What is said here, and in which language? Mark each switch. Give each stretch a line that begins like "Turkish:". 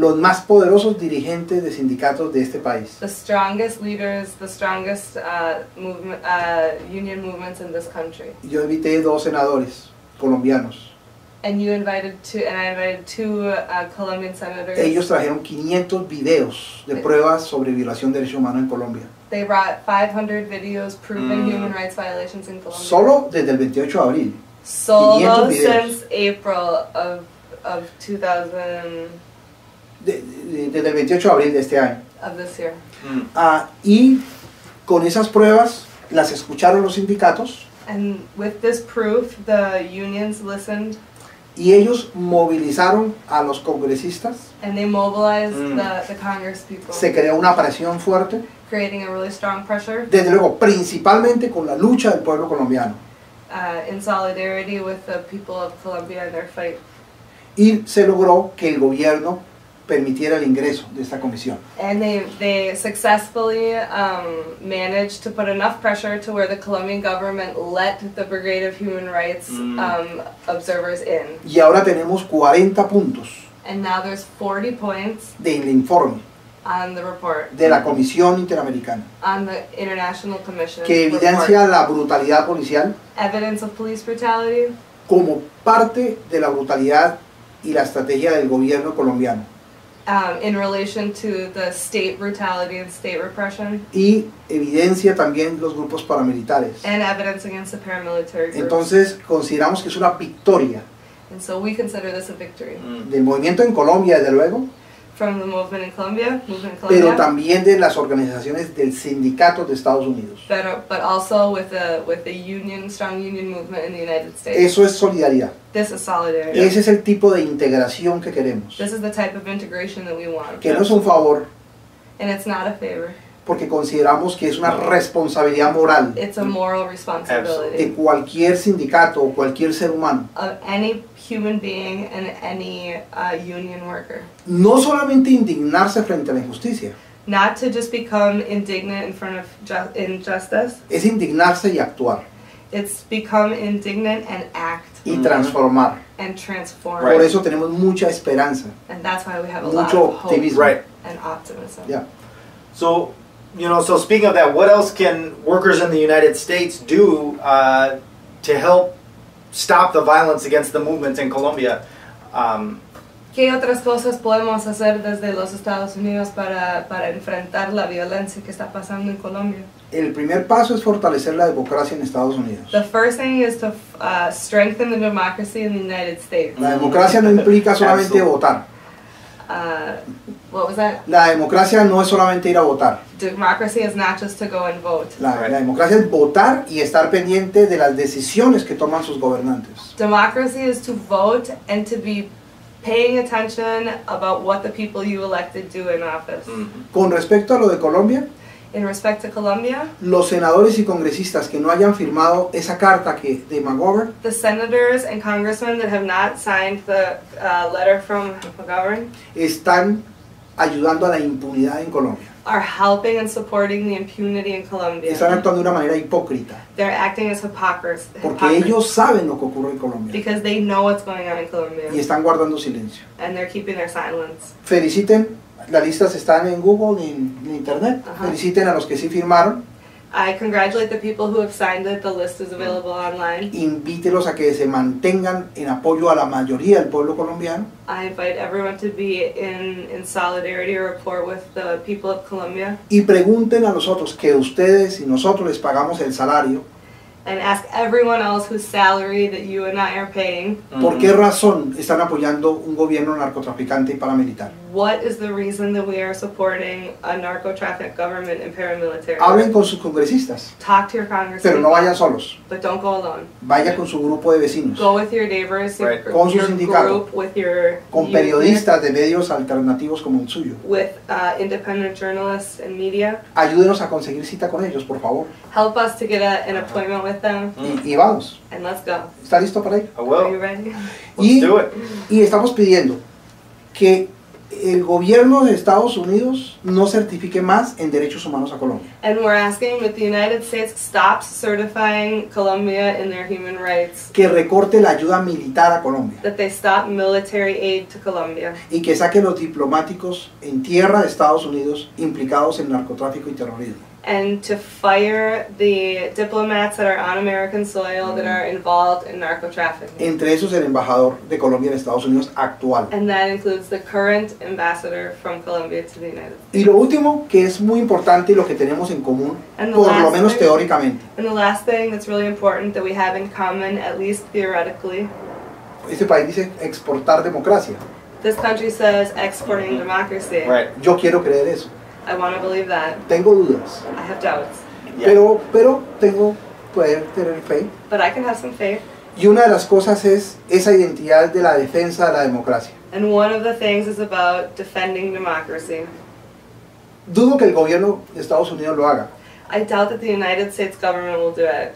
Spanish: Los más poderosos dirigentes de sindicatos de este país.
English: The strongest leaders, the strongest union movements in this country.
Spanish: Yo invité 2 senadores colombianos.
English: And I invited two Colombian senators.
Spanish: Ellos trajeron 500 videos de pruebas sobre violación de derechos humanos en Colombia.
English: They brought 500 videos proving human rights violations in Colombia.
Spanish: Solo desde el 28 de abril.
English: Solo since April of 2000.
Spanish: Desde el 28 de abril de este año.
English: Of this year.
Spanish: Y con esas pruebas las escucharon los sindicatos.
English: And with this proof, the unions listened.
Spanish: Y ellos movilizaron a los congresistas.
English: And they mobilized the congresspeople.
Spanish: Se creó una presión fuerte.
English: Creating a really strong pressure.
Spanish: Desde luego, principalmente con la lucha del pueblo colombiano.
English: In solidarity with the people of Colombia and their fight.
Spanish: Y se logró que el gobierno permitiera el ingreso de esta comisión.
English: And they successfully managed to put enough pressure to where the Colombian government let the Brigade of Human Rights observers in.
Spanish: Y ahora tenemos 40 puntos.
English: And now there's 40 points.
Spanish: Del informe.
English: On the report.
Spanish: De la Comisión Interamericana.
English: On the International Commission.
Spanish: Que evidencia
English: report.
Spanish: La brutalidad policial.
English: Evidence of police brutality.
Spanish: Como parte de la brutalidad y la estrategia del gobierno colombiano.
English: in relation to the state brutality and state repression.
Spanish: Y evidencia también los grupos paramilitares.
English: And evidence against the paramilitary groups.
Spanish: Entonces consideramos que es una victoria.
English: And so we consider this a victory. Mm.
Spanish: Del movimiento en Colombia, desde luego.
English: From the movement in Colombia,
Spanish: Pero también de las organizaciones del sindicato de Estados Unidos.
English: But also with the union, strong union movement in the United States.
Spanish: Eso es solidaridad.
English: This is solidarity.
Spanish: Ese es el tipo de integración que queremos.
English: This is the type of integration that we want.
Spanish: Que no es un favor.
English: And it's not a favor.
Spanish: Porque consideramos que es una responsabilidad moral.
English: It's a moral responsibility. Absolutely.
Spanish: De cualquier sindicato o cualquier ser humano.
English: Of any human being and any union worker.
Spanish: No solamente indignarse frente a la injusticia.
English: Not to just become indignant in front of injustice.
Spanish: Es indignarse y actuar.
English: It's become indignant and act.
Spanish: Y transformar.
English: And transform.
Spanish: Right. Por eso tenemos mucha esperanza.
English: And that's why we have a
Spanish: mucho
English: lot of hope. Optimism. Right. And optimism. Yeah. So, you know, so speaking of that, what else can workers in the United States do to help stop the violence against the movements in Colombia?
Spanish: ¿Qué otras cosas podemos hacer desde los Estados Unidos para enfrentar la violencia que está pasando en Colombia? El primer paso es fortalecer la democracia en Estados Unidos.
English: The first thing is to strengthen the democracy in the United States.
Spanish: La democracia no implica solamente votar.
English: What was that?
Spanish: La democracia no es solamente ir a votar.
English: Democracy is not just to go and vote.
Spanish: La democracia es votar y estar pendiente de las decisiones que toman sus gobernantes.
English: Democracy is to vote and to be paying attention about what the people you elected do in office. Mm-hmm.
Spanish: Con respecto a lo de Colombia,
English: in respect to Colombia,
Spanish: los senadores y congresistas que no hayan firmado esa carta que de McGovern,
English: the senators and congressmen that have not signed the letter from McGovern,
Spanish: están ayudando a la impunidad en Colombia.
English: Are helping and supporting the impunity in Colombia.
Spanish: Están actuando de una manera hipócrita.
English: They're acting as hypocrites.
Spanish: Porque ellos saben lo que ocurre en Colombia.
English: Because they know what's going on in Colombia.
Spanish: Y están guardando silencio.
English: And they're keeping their silence.
Spanish: Feliciten. Las listas están en Google y en Internet. Uh-huh. Feliciten a los que sí firmaron.
English: I congratulate the people who have signed it. The list is available online.
Spanish: Invítelos a que se mantengan en apoyo a la mayoría del pueblo colombiano.
English: I invite everyone to be in solidarity or rapport with the people of Colombia.
Spanish: Y pregunten a los otros que ustedes y nosotros les pagamos el salario.
English: And ask everyone else whose salary that you and I are paying.
Spanish: ¿Por qué razón están apoyando un gobierno narcotraficante y paramilitar?
English: What is the reason that we are supporting a narcotraffic government and paramilitary?
Spanish: Hablen con sus congresistas.
English: Talk to your congressmen.
Spanish: Pero no vayan solos.
English: But don't go alone.
Spanish: Vaya con su grupo de vecinos.
English: Go with your neighbors. Right.
Spanish: Con su sindicato.
English: With your
Spanish: con periodistas de medios alternativos como el suyo.
English: With independent journalists and media.
Spanish: Ayúdenos a conseguir cita con ellos, por favor.
English: Help us to get an appointment with them.
Spanish: Y vamos.
English: And let's go.
Spanish: ¿Está listo para ir?
English: I will. Are you ready? Let's do it.
Spanish: Y estamos pidiendo que el gobierno de Estados Unidos no certifique más en derechos humanos a Colombia.
English: And we're asking that the United States stops certifying Colombia in their human rights.
Spanish: Que recorte la ayuda militar a Colombia.
English: That they stop military aid to Colombia.
Spanish: Y que saque los diplomáticos en tierra de Estados Unidos implicados en narcotráfico y terrorismo.
English: And to fire the diplomats that are on American soil that are involved in narcotrafficking.
Spanish: Entre esos el embajador de Colombia en Estados Unidos actual.
English: And that includes the current ambassador from Colombia to the United States.
Spanish: Y lo último que es muy importante y lo que tenemos en común, por lo menos teóricamente.
English: And the last thing that's really important that we have in common, at least theoretically.
Spanish: Este país dice exportar democracia.
English: This country says exporting democracy. Right.
Spanish: Yo quiero creer eso.
English: I want to believe that.
Spanish: Tengo dudas.
English: I have doubts.
Spanish: Yeah. Pero tengo poder tener fe.
English: But I can have some faith.
Spanish: Y una de las cosas es esa identidad de la defensa de la democracia.
English: And one of the things is about defending democracy.
Spanish: Dudo que el gobierno de Estados Unidos lo haga.
English: I doubt that the United States government will do it.